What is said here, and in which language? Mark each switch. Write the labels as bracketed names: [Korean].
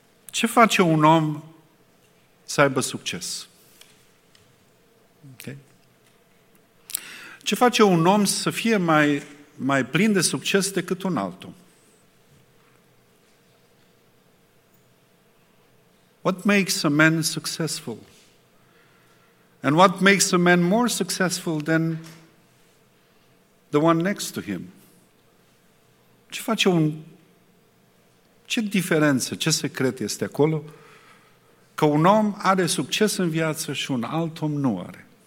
[Romanian] Ce face un om să aibă succes? Okay. Ce face un om să fie mai plin de succes decât un altul? [English] What makes a man successful? And what makes a man more successful than the one next to him? [Romanian] Ce diferență, ce secret este acolo? Că un om are succes în viață și un alt om nu are.